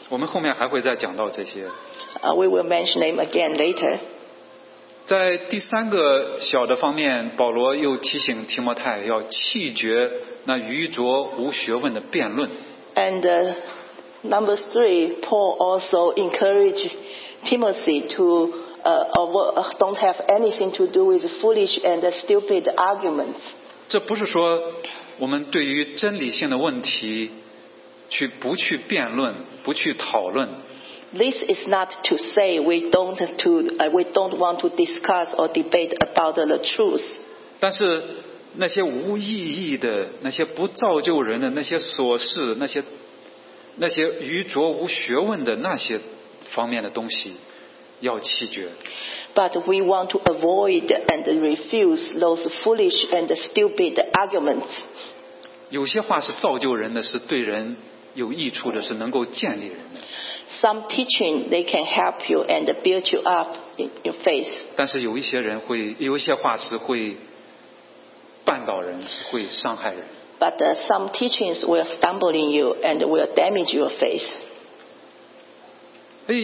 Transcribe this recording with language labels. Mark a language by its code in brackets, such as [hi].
[zh] 我们后面还会再讲到这些。 [en] We will mention them again later. [zh] 在第三个小的方面，保罗又提醒提摩太要弃绝那愚拙无学问的辩论。 [en] And number three, Paul also encouraged Timothy to don't have anything to do with foolish and stupid arguments. [zh] 这不是说我们对于真理性的问题不去辩论，不去讨论。 [en] This is not to say we don't want to discuss or debate about the truth. [zh] 但是那些无意义的，那些不造就人的那些琐事，那些愚拙无学问的那些方面的东西，要弃绝。 [en] But we want to avoid and refuse those foolish and stupid arguments. [zh] 有些话是造就人的，是对人有益处的，是能够建立人的。 [en] Some teaching they can help you and build you up in your faith. [zh] 但是有一些话是会绊倒人，会伤害人。 [en] But some teachings will stumble in you and will damage your faith.